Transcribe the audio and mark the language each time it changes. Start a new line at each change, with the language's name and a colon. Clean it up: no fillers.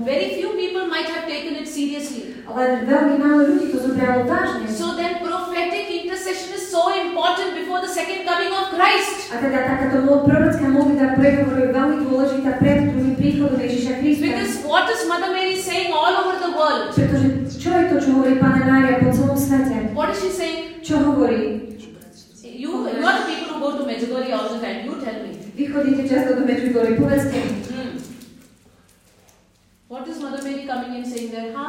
English: Very few people might have taken it seriously.
Slovak: Ale veľmi málo ľudí to zobralo vážne.
English: So then prophetic intercession is so important before the second coming of Christ.
Slovak: A teda takáto prorocká modlitba prehovor je veľmi dôležitá pred druhým príchodom Ježíša Krista.
English: Because what is Mother Mary saying all over the world?
Slovak: Pretože čo je to, čo hovorí Pana Mária po celom svete?
English: What is she saying?
Slovak: Čo hovorí?
English: You are the people who go to Medjugorje all the time. You tell me.
Slovak: Vy chodíte často do Medjugorje, povedzte.
English: What is Mother Mary coming in saying there?